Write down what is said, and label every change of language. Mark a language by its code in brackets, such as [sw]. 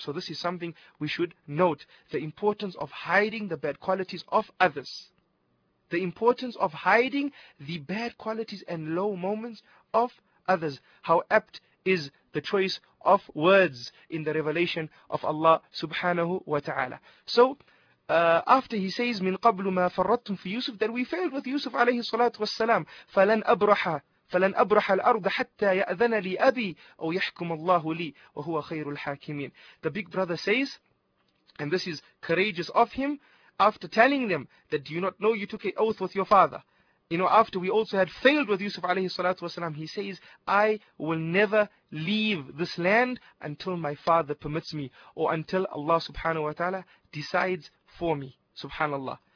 [en] So this is something we should note, the importance of hiding the bad qualities of others. The importance of hiding the bad qualities and low moments of others. How apt is the choice of words in the revelation of Allah subhanahu wa ta'ala. So, after he says, [ar] مِنْ قَبْلُ مَا فَرَّطْتُمْ فِي يُوسُفْ, [en] that we failed with Yusuf alayhi salatu wassalam, [ar] فَلَنْ أَبْرَحَ الْأَرْضَ حَتَّى يَأْذَنَ لِي أَبِي أَوْ يَحْكُمَ اللَّهُ لِي وَهُوَ خَيْرُ الْحَاكِمِينَ. [en] The big brother says, and this is courageous of him, after telling them that, do you not know you took an oath with your father? You know, after we also had failed with Yusuf alayhi salatu wasalam, he says, I will never leave this land until my father permits me, or until Allah subhanahu wa ta'ala decides for me. Subhanallah.